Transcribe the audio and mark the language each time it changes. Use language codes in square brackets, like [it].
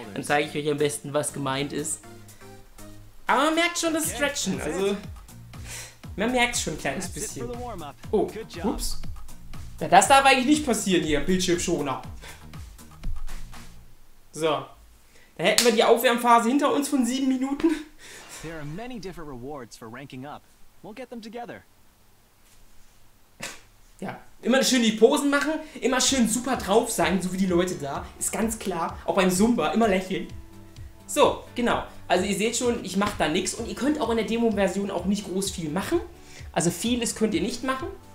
[de] Dann zeige ich euch am besten, was gemeint ist. Aber man merkt schon das Stretchen, also... Man merkt es schon ein kleines bisschen. Oh, ups. Ja, das darf eigentlich nicht passieren hier, Bildschirmschoner. So. Da hätten wir die Aufwärmphase hinter uns von 7 Minuten. [en] There are many different rewards for ranking up. We'll get them together. [de] Ja, immer schön die Posen machen, immer schön super drauf sein, so wie die Leute da. Ist ganz klar, auch beim Zumba, immer lächeln. So, genau. Also ihr seht schon, ich mache da nichts und ihr könnt auch in der Demo-Version auch nicht groß viel machen. Also vieles könnt ihr nicht machen.